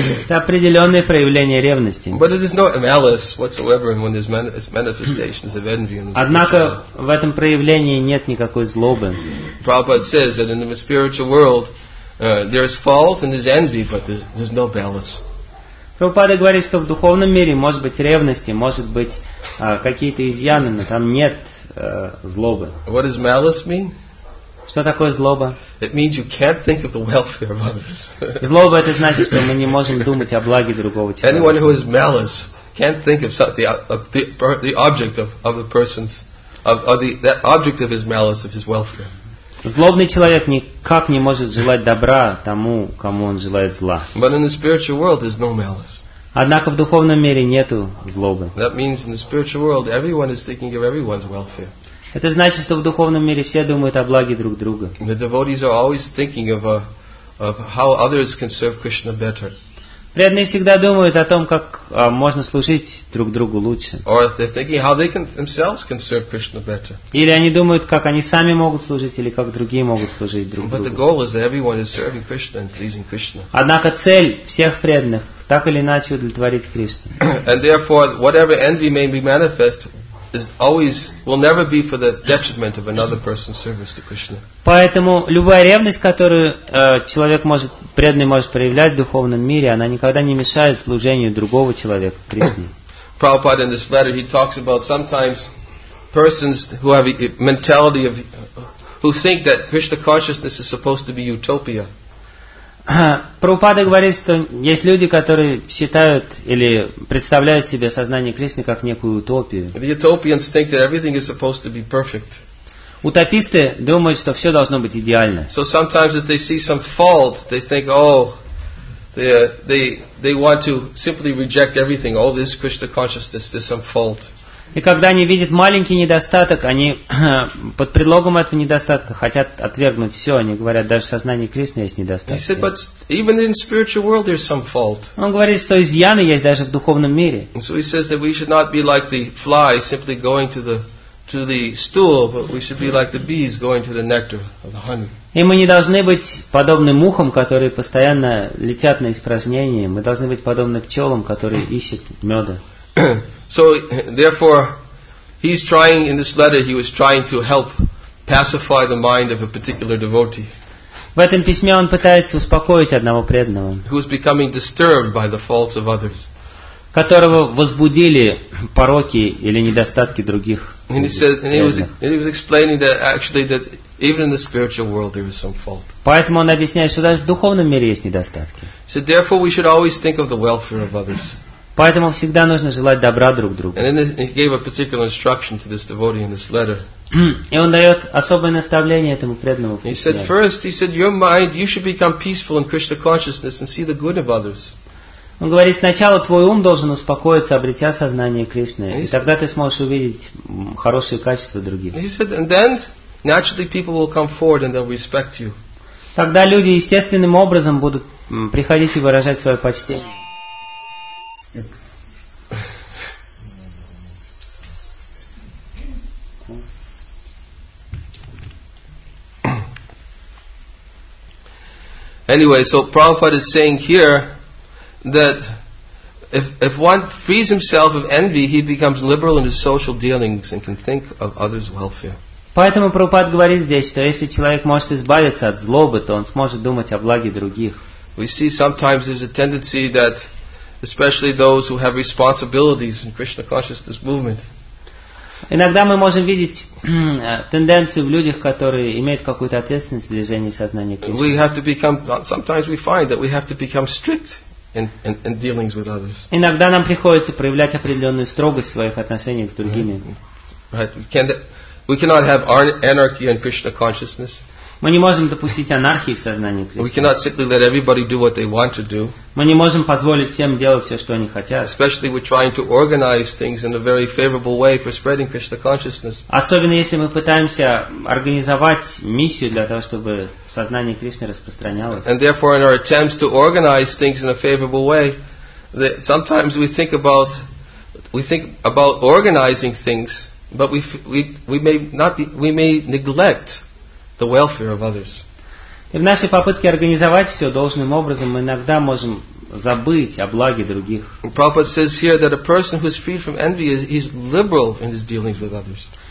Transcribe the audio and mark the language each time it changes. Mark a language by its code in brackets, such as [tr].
[ru] Это определенное проявление ревности. [en] But it is no malice whatsoever when there's manifestations of envy. [ru] Однако в этом проявлении нет никакой злобы. [en] Prabhupada says that in the spiritual world there is fault and there's envy, but there's no malice. [ru] Прабхупада говорит, что в духовном мире может быть ревности, может быть какие-то изъяны, но там нет злобы. [en] What does malice mean? [ru] Что такое злоба? [en] It means you can't think of the welfare of others. [ru] Злоба это значит, что мы не можем думать о благе другого человека. [en] Anyone who is malice can't think of the object of the person's of the that object of his malice of his welfare. [ru] Злобный человек никак не может желать добра тому, кому он желает зла. [en] But in the spiritual world there's no malice. [ru] Однако в духовном мире нету злобы. [en] That means in the spiritual world everyone is thinking of everyone's welfare. [ru] Это значит, что в духовном мире все думают о благе друг друга. [en] The devotees are always thinking of how others can serve Krishna better. [ru] Преданные всегда думают о том, как можно служить друг другу лучше. [en] Or they're thinking how they can themselves can serve Krishna better. [ru] Или они думают, как они сами могут служить, или как другие могут служить друг другу. [en] But the goal is that everyone is serving Krishna and pleasing Krishna. [ru] Однако цель всех преданных так или иначе удовлетворить Кришну. [en] And therefore, whatever envy may be manifest. Is always will never be for the detriment of another person's service to Krishna. [ru] Поэтому любая ревность, которую человек может преданный может проявлять в духовном мире, она никогда не мешает служению другого человека Кришне. [en] Prabhupada in this letter he talks about sometimes persons who have a mentality of who think that Krishna consciousness is supposed to be utopia. [ru] Прабхупада говорит, что есть люди, которые считают или представляют себе сознание Кришны как некую утопию. [en] The utopians think that everything is supposed to be perfect. [ru] Утописты думают, что все должно быть идеально. [en] So sometimes if they see some fault, they think, they want to simply reject everything. All this Krishna consciousness, there's some fault. [ru] И когда они видят маленький недостаток, они под предлогом этого недостатка хотят отвергнуть все. Они говорят, даже в сознании Кришны есть недостаток. [en] He said, but even in spiritual world there's some fault. [ru] Он говорит, что изъяны есть даже в духовном мире. [en] And so he says that we should not be like the fly simply going to the stool, but we should be like the bees going to the nectar of the honey. [ru] И мы не должны быть подобны мухам, которые постоянно летят на испражнения. Мы должны быть подобны пчелам, которые ищут меда. [en] So therefore he's trying in this letter he was trying to help pacify the mind of a particular devotee. [ru] В этом письме он пытается успокоить одного преданного. [en] Who is becoming disturbed by the faults of others. [ru] Которого возбудили пороки или недостатки других. [en] And he says, and he was explaining that actually that even in the spiritual world there is some fault. [ru] Поэтому он объясняет, что даже в духовном мире есть недостатки. [en] So therefore we should always think of the welfare of others. [ru] Поэтому всегда нужно желать добра друг другу. [en] And then he gave a particular instruction to this devotee in this letter. [ru] И он дает особое наставление этому преданному. [en] He said, first, he said, your mind, you should become peaceful in Krishna consciousness and see the good of others. [ru] Он говорит, сначала твой ум должен успокоиться, обретя сознание Кришны, и тогда ты сможешь увидеть хорошие качества других. [en] He said, and then naturally people will come forward and they'll respect you. [ru] Тогда люди естественным образом будут приходить и выражать свое почтение. [en] Anyway, so Prabhupada is saying here that if one frees himself of envy, he becomes liberal in his social dealings and can think of others' welfare. [ru] Поэтому Прабхупада говорит здесь, что если человек может избавиться от злобы, то он сможет думать о благе других. [en] We see sometimes there's a tendency that especially those who have responsibilities in Krishna consciousness movement. [ru] Иногда мы можем видеть тенденцию в людях, которые имеют какую-то ответственность в движении сознания Кришны. [en] We have to become. Sometimes we find that we have to become strict in dealings with others. [ru] Иногда нам приходится проявлять определенную строгость в своих отношениях с другими. [en] Right. We cannot have anarchy in Krishna consciousness. [ru] Мы не можем допустить анархии в сознании Кришны. [en] We cannot simply let everybody do what they want to do. [ru] Мы не можем позволить всем делать все, что они хотят. [en] Especially we're trying to organize things in a very favorable way for spreading Krishna consciousness. [ru] Особенно если мы пытаемся организовать миссию для того, чтобы сознание Кришны распространялось. [en] And therefore in our attempts to organize things in a favorable way, sometimes we think about organizing things, but we may neglect the welfare of others. [ru] И в нашей попытке организовать все должным образом мы иногда можем забыть о благе других. [en] Prabhupada says here that a person who is free from envy is liberal in his dealings with others.